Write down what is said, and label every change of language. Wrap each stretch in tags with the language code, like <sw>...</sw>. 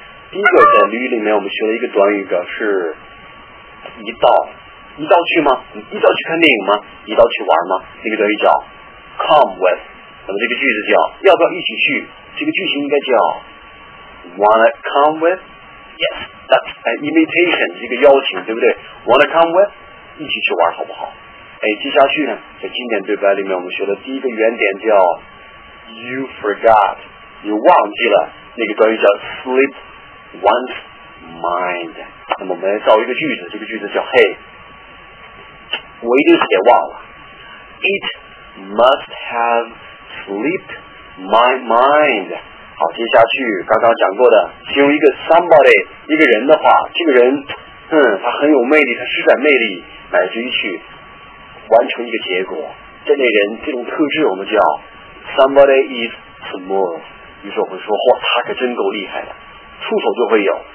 <zh>第一个，在俚语里面，我们学了一个短语，表示一道你到去吗？你到去看电影吗？你到去玩吗？那个东西叫 come with， 那么这个句子叫要不要一起去，这个句型应该叫</zh> <en>wanna come with。 Yes, that's an invitation，</en> <zh>一个邀请，对不对？</zh> <en>wanna come with，</en> <zh>一起去玩好不好。哎，接下去呢，在经典对白里面我们学的第一个原点叫</zh> <en>you forgot，</en> <zh>你忘记了，那个东西叫</zh> <en>slip one's mind。</en> <zh>那么我们来造一个句子，这个句子叫 hey，我一定是给忘了。</zh> <en>It must have slipped my mind。</en> <zh>好，接下去刚刚讲过的，形容一个 somebody 一个人的话，这个人他很有魅力，他施展魅力，乃至于去完成一个结果，这类人这种特质我们叫</zh> <en>somebody is smooth。</en> <zh>于是我们说，哇，他可真够厉害的，出手就会有。</zh>